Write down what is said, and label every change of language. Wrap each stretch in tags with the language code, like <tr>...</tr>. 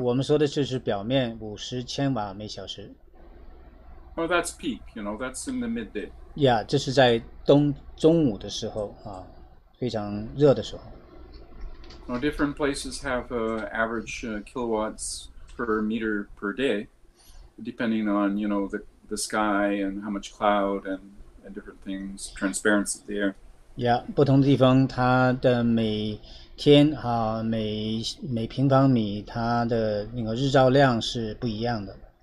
<zh>我们说的就是表面 50千瓦每小时。</zh> <en>Oh, that's peak, you know, that's in the midday.</en> <zh>Yeah, 这是在中午的时候, 非常热的时候。</zh> <en>Well, different places have average kilowatts per meter per day, depending on, you know, the sky and how much cloud and different things, transparency of the air.</en> <zh>Yeah, 不同地方它的每天啊每平方米它的那个日照量是不一样的。</zh>